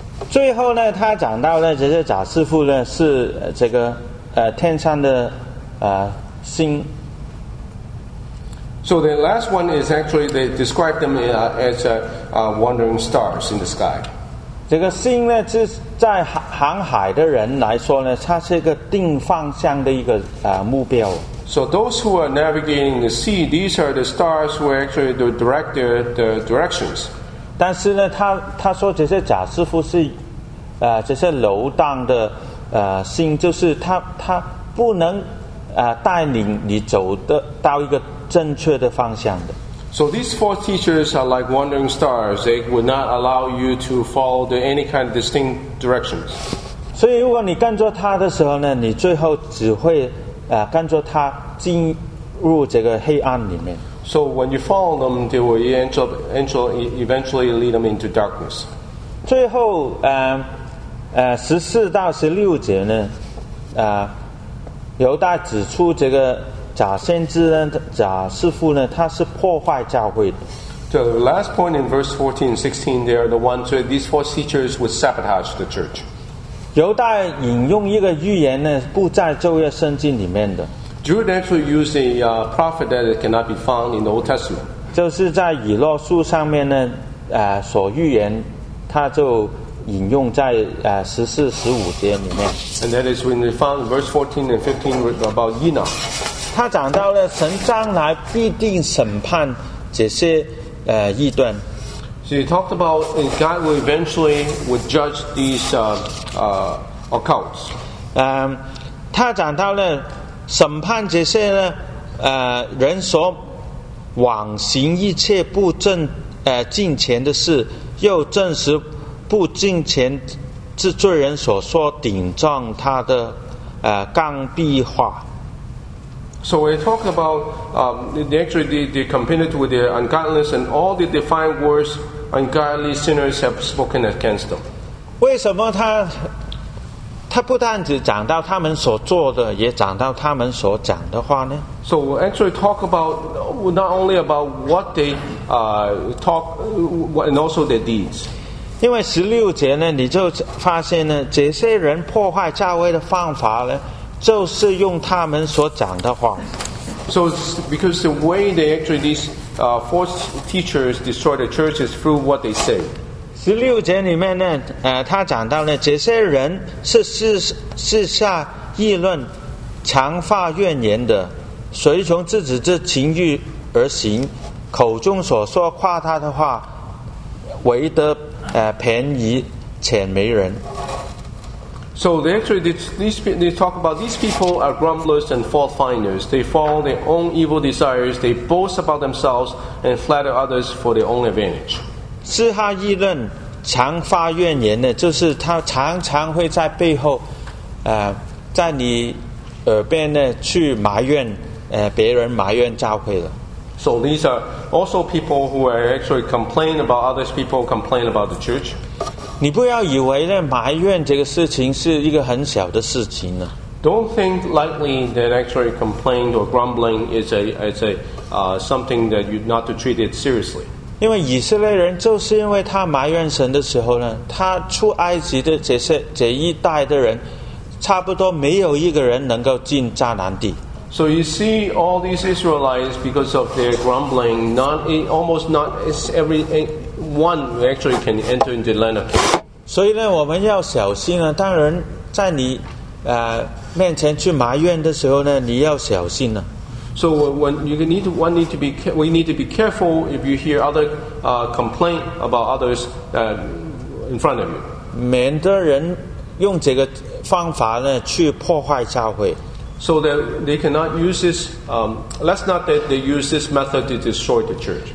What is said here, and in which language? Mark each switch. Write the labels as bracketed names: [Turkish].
[Chinese] 最后呢，他讲到呢，这些假师傅呢是这个天上的星。 [English] So the last one is actually they describe them as wandering stars in the sky. [Chinese] 这个星呢，是在航海的人来说呢，它是一个定方向的一个目标。 [English] So those who are navigating the sea, these are the stars who actually direct their directions. [Chinese] 但是呢，他说这些假师傅是，这些游荡的心，就是他不能带领你走的到一个正确的方向的。 [English] So these false teachers are like wandering stars. They would not allow you to follow the any kind of distinct directions. [Chinese] 所以如果你跟着他的时候呢，你最后只会跟着他进入这个黑暗里面。 [English] So when you follow them, they will eventually lead them into darkness. [Chinese] 最后，十四到十六节呢，犹大指出这个假先知呢、假师傅呢，他是破坏教会的。 [English] So the last point in verse 14 and 16, they are the ones where these four teachers would sabotage the church. [Chinese] 犹大引用一个预言呢，不在旧约圣经里面的。 [English] Jude actually used a prophet that cannot be found in the Old Testament. [Chinese] 就是在以诺书上面呢，所预言，他就引用在十四、十五节里面。 [English] And that is when they found verse 14 and 15 about Enoch. [Chinese] 他讲到了神将来必定审判这些异端。 [English] So he talked about God will eventually would judge these occults. [Chinese] 他讲到了。审判这些呢，人所妄行一切不正敬虔的事，又证实不敬虔之罪人所说顶撞他的杠臂话。 [English] So we talk about actually the compendium with their ungodliness and all the defiant words ungodly sinners have spoken against them. [Chinese] 为什么他 不但只讲到他们所做的，也讲到他们所讲的话呢？ [English] So we'll actually talk about not only about what they talk and also their deeds. [Chinese] 因为十六节呢，你就发现呢，这些人破坏教会的方法呢，就是用他们所讲的话。 [English] So because the way they actually these false teachers destroy the church is through what they say. [Chinese] 十六节里面呢，他讲到呢，这些人是私下议论、强化怨言的，随从自己的情欲而行，口中所说夸他的话，唯得便宜且没人。 [English] So they actually they talk about these people are grumblers and fault finders. They follow their own evil desires. They boast about themselves and flatter others for their own advantage. [Chinese] 私下议论、常发怨言的，就是他常常会在背后，在你耳边呢去埋怨，别人埋怨教会的。 [English] So these are also people who are actually complain about others. People complain about the church. [Chinese] 你不要以为呢埋怨这个事情是一个很小的事情呢。 [English] Don't think lightly that actually complaint or grumbling is something that you not to treat it seriously. [Chinese] 因为以色列人就是因为他埋怨神的时候呢，他出埃及的这一代的人，差不多没有一个人能够进迦南地。 [English] So you see, all these Israelites, because of their grumbling, almost not every one actually can enter into the land of Canaan. [Chinese] 所以呢，我们要小心啊！当人在你面前去埋怨的时候呢，你要小心啊。 [English] So when you need to, we need to be careful if you hear other complaint about others in front of you. [Chinese] 免得人用这个方法呢去破坏教会。 [English] So that they cannot use this. Let's not that they use this method to destroy the church.